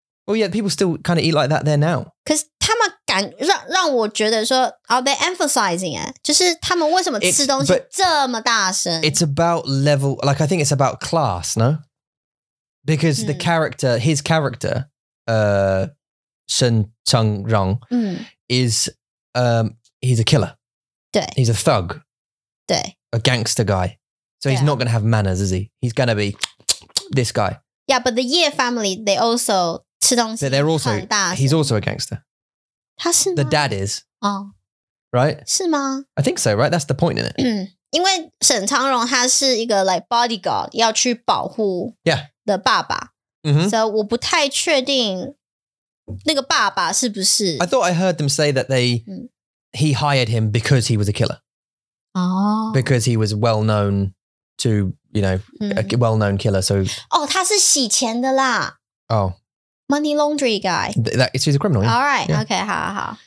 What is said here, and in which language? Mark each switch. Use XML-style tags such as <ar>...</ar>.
<en>Oh yeah, people still kind of eat like that there now. Because</en> <zh>他们感让我觉得说,</zh> <en>are they emphasizing it?</en> <zh>就是他们为什么吃东西这么大声?</zh> <en>It's about level, like I think it's about class, no? Because the character, his character, Shen Cheng Rong is he's a killer.</en> <zh>对.</zh> <en>He's a thug.</en> <zh>对.</zh> <en>A gangster guy. So he's not going to have manners, is he? He's going to be this guy. Yeah, but the Ye family, they also</en> <zh>吃东西,</zh> <en>they're also, he's also a gangster.</en> <zh>他是吗?</zh> <en>The dad is. Oh. Right?</en> <zh>是吗?</zh> <en>I think so, right? That's the point in it.</en> <zh>因为沈昌荣他是一个</zh> <en>like bodyguard,</en> <zh>要去保护的爸爸。</zh> <en>Yeah. Mm-hmm.</en> <zh>So 我不太确定那个爸爸是不是...</zh> <en>I thought I heard them say that they, he hired him because he was a killer. Oh. Because he was well known to, you know, a well-known killer, so...</en> <zh>Oh, 他是洗钱的啦.</zh> <en>Oh. Money laundry guy. He's a criminal, yeah. All right, yeah. Okay,</en> <zh>好好好.</zh>